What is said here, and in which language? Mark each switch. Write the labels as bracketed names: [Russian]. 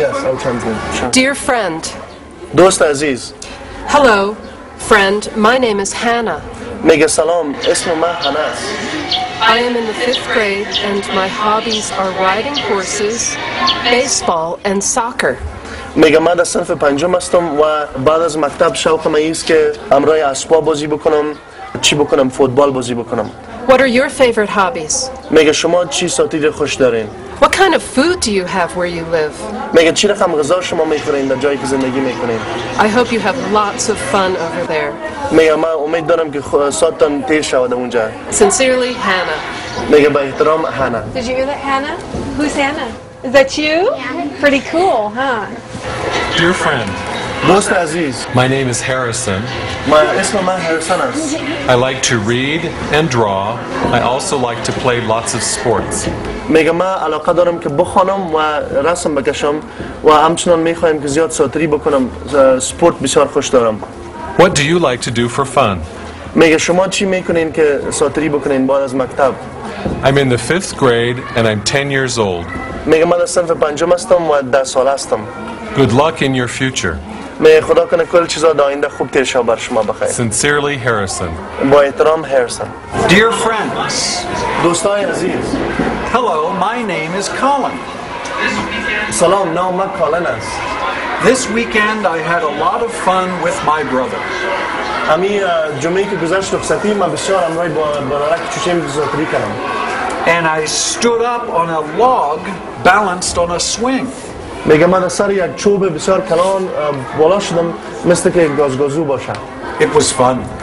[English] Yes, I'll translate it. Sure. Dear friend. [Persian] Dost Aziz. [English] Hello, friend. My name is Hannah. [Persian] Mega salam. Ismo ma Hannah. [English] I am in the fifth grade, and my hobbies are riding horses, baseball, and soccer. [Persian] میگم من در صنف پنجم هستم و بعد از مکتب شوق من این است که همراه اسباب بازی بکنم. چی بکنم؟ فوتبال بازی بکنم. [English] What are your favorite hobbies? [Persian] میگه شما چی ساتید خوش دارین؟ [English] What kind of food do you have where you live? [Persian] میگه چی رقم غذا شما میخورین در جایی که زندگی میکنین؟ [English] I hope you have lots of fun over there. [Persian] میگه من امید دارم که ساعتتان تیر شود اونجا. [English] Sincerely, Hannah. [Persian] میگه با احترام هانا. [English] Did you hear that, Hannah? Who's Hannah? Is that you? Yeah. Pretty cool, huh? Dear friend. [Persian] دوست عزیز. [English] My name is Harrison. My [Persian] اسم من هاریسون است. [English] I like to read and draw. I also like to play lots of sports. [Persian] میگه من علاقه دارم که بخوانم و رسم بکشم و همچنان میخوایم که زیاد ساتری بکنم. سپورت بسیار خوش دارم. [English] What do you like to do for fun? [Persian] میگه شما چی میکنین که ساتری بکنین بعد از مکتب؟ [English] I'm in the fifth grade and I'm 10 years old. [Persian] میگه من در صنف پنجم هستم و 10 سال هستم. [English] Good luck in your future. [Persian] میگه خدا کنه کل چیزا در آینده خوب تیر شود بر شما بخیر. [English] Sincerely, Harrison. [Persian] با احترام, Harrison. [English] Dear friends. [Persian] دوستای عزیز. [English] Hello, my name is Colin. [Persian] سلام, نام من کالن است. [English] This weekend I had a lot of fun with my brother. [Persian] امی جمعه که گذشت رخصتی من بسیار همراهی با برادرک چوچیم گذاری کردم. [English] And I stood up on a log balanced on a swing. [Persian] میگم من سر یک چوب بسیار کلان بالا شدم مثل که گازگازو باشم. [English] It was fun.